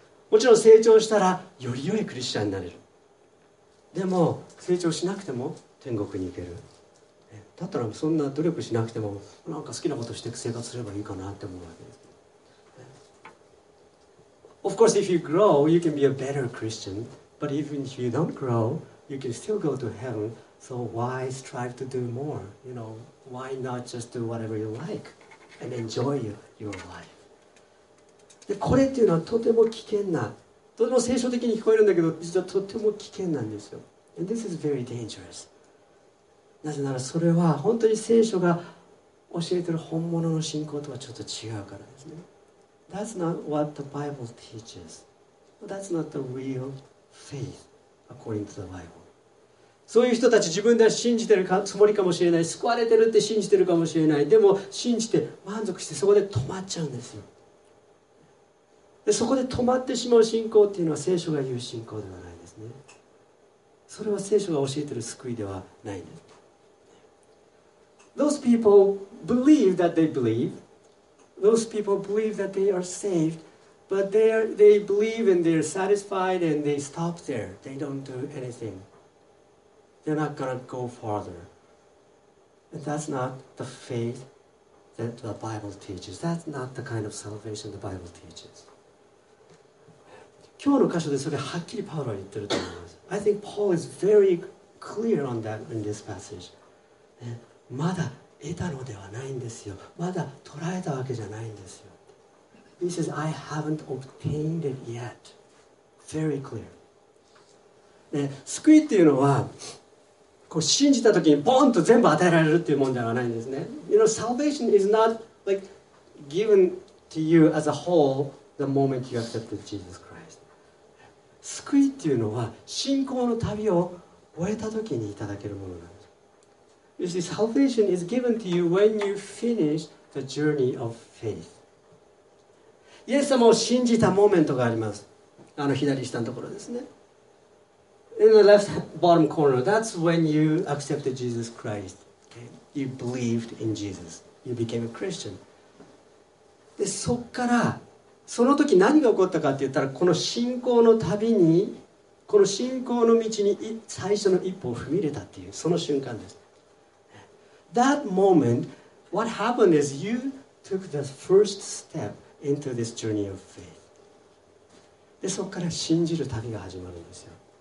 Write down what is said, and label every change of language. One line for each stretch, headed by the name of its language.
Japanese: もちろん成長したらより良いクリスチャンになれる。でも成長しなくても天国に行ける。だったらそんな努力しなくてもなんか好きなことして生活すればいいかなって思うわけです。
English: Of course, if you grow, you can be a better Christian. But even if you don't grow, you can still go to heaven. So why strive to do more? You know, why not just do whatever you like and enjoy your life?
Japanese: で、これっていうのはとても危険な。とても聖書的に聞こえるんだけど、実はとても危険なんですよ。
English: And this is very dangerous.
Japanese: なぜならそれは本当に聖書が教えてる本物の信仰とはちょっと違うからですね。
English: That's not what the Bible teaches. That's not the real faith, according to the Bible.
Japanese: そういう人たち自分では信じてるかつもりかもしれない、救われてるって信じてるかもしれない。でも信じて満足してそこで止まっちゃうんですよ。でそこで止まってしまう信仰っていうのは聖書が言う信仰ではないですね。それは聖書が教えてる救いではないんです。
English: Those people believe that they believe.Those people believe that they are saved, But they believe and they're satisfied and they stop there. They don't do anything. They're not going to go farther. And that's not the faith that the Bible teaches. That's not the kind of salvation the Bible teaches.
Japanese: 今日の箇所でそれはっきりパウロは言ってると思います。
English: I think Paul is very clear on that in this passage.、
Japanese: ね、まだ得たのではないんですよ。まだ捉えたわけじゃないんですよ。
English: He says, I haven't obtained it yet. Very clear.、
Japanese: ね、救いっていうのはこう信じた時にポンと全部与えられるっていうもんではないんですね。
English: You know, salvation is not like given to you as a whole the moment you accepted Jesus Christ.
Japanese: 救いっていうのは信仰の旅を終えた時にいただけるものなんです。
English: You see, salvation is given to you when you finish the journey of faith.
Japanese: イエス様を信じたモーメントがあります。あの左下のところですね。
English: In the left bottom corner, that's when you accepted Jesus Christ. You believed in Jesus. You became a Christian.
Japanese: で、そっからその時何が起こったかって言ったら、この信仰の旅に、この信仰の道に最初の一歩を踏み入れたっていう、その瞬間です。
English: That moment, what happened is you took the first step into this journey of faith.
Japanese: で、そこから信じる旅が始まるんですよ。